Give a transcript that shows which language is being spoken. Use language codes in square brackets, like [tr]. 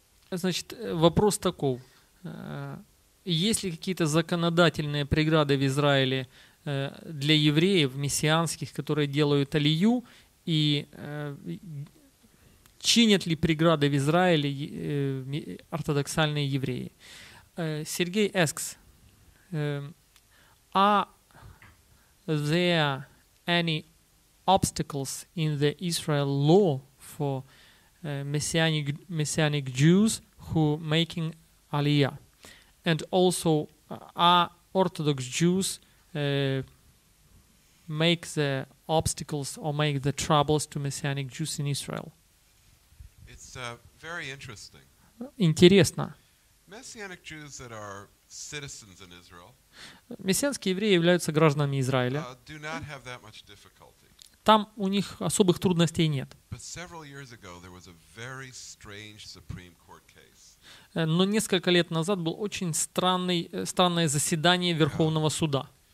[ru] Значит, вопрос таков. Есть ли какие-то законодательные преграды в Израиле для евреев, мессианских, которые делают алию, и чинят ли преграды в Израиле ортодоксальные евреи? [en] Сергей asks, are there any obstacles in the Israel law for messianic Jews who making aliyah? And also, are Orthodox Jews make the obstacles or make the troubles to Messianic Jews in Israel? It's very interesting. [ru] Интересно. [en] Messianic Jews that are citizens in Israel. [ru] Мессианские евреи являются гражданами Израиля. [en] Do not have that much difficulty. [ru] Там у них особых трудностей нет. [en] But several years ago, there was a very strange Supreme Court case. [ru] Но несколько лет назад был очень странное заседание Верховного суда.